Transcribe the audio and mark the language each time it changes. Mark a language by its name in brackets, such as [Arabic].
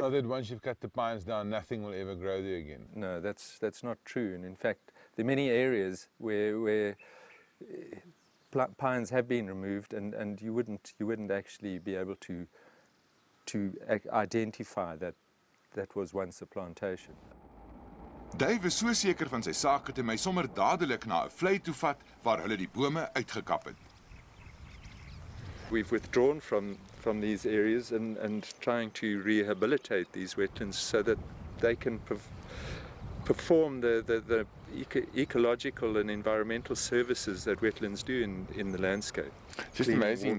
[English] So that once you've cut the pines down, nothing will ever grow there again? No, that's not true. And in fact, there are many areas where pines have been removed, and you wouldn't actually be able to identify that was once a plantation. [Afrikaans] Dave is so seker van sy saak dat hy my sommer dadelik na 'n vlei toe vat waar hulle die bome uitgekap het. [English] We've withdrawn from these areas and trying to rehabilitate these wetlands so that they can perform the ecological and environmental services that wetlands do in the landscape. Just amazing.